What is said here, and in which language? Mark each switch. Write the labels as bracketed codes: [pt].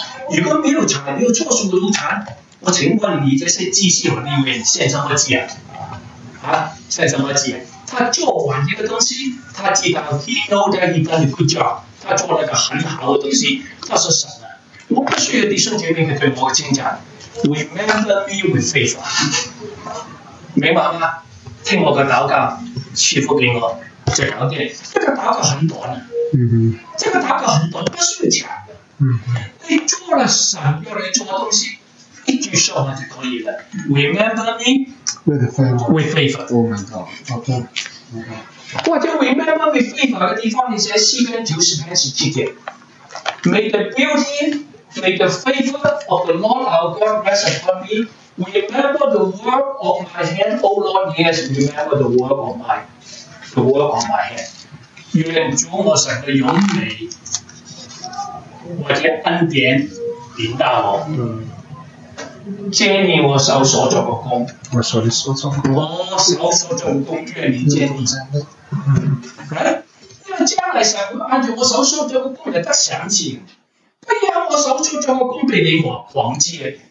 [zh] 如果没有柴，没有出熟的土产，我请问你这些祭司和利未人献什么祭啊？献什么祭？他做完一个东西，他知道 [en] he know that he done a good job， [zh] 他做了个很好的东西，他是神啊！我不需要弟兄姐妹的对我敬仰。 [en] Remember me with faith， [zh] 明白吗？听我的祷告，赐福给我，这两点。这个祷告很短的，这个祷告很短，不需要强的。你做了神要来做的东西，一句说话就可以了。 [en] Remember me with favor. With favor. Oh my God. Okay. Okay. [zh] 我就 [en] remember with favor [zh] 的地方，你写诗篇九十篇十七节 [en] ，May the beauty, may the favor of the Lord our God rest upon me. Remember the work of my hand, O Lord, yes, remember the work of my, the work of my hand. [zh] 愿主我神的荣美，我的恩典临到我。借你我手所做的工，我手里所做的工，我手所做的工，愿你借你真的。哎，那将来神按着我手所做的工来得赏赐，不要我手所做的工被你忘记。